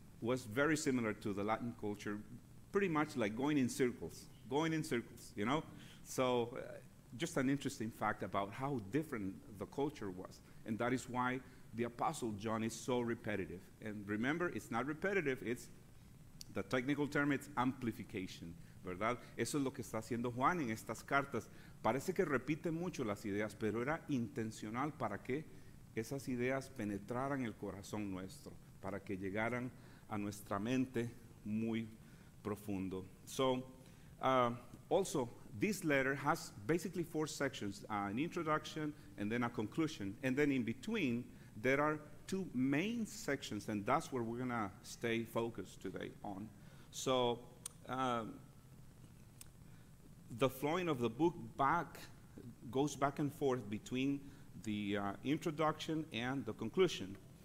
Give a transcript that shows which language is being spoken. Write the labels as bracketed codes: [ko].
[en] was very similar to the Latin culture, pretty much like going in circles, you know? So just an interesting fact about how different the culture was. And that is why the Apostle John is so repetitive. And remember, it's not repetitive, it's the technical term, it's amplification, [es] ¿verdad? Eso es lo que está haciendo Juan en estas cartas. Parece que repite mucho las ideas, pero era intencional para que esas ideas penetraran el corazón nuestro, para que llegaran a nuestra mente muy profundo. [en] So, also, this letter has basically four sections, an introduction and then a conclusion. And then in between, there are two main sections, and that's where we're going to stay focused today on. So, the flowing of the book goes back and forth between the introduction and the conclusion.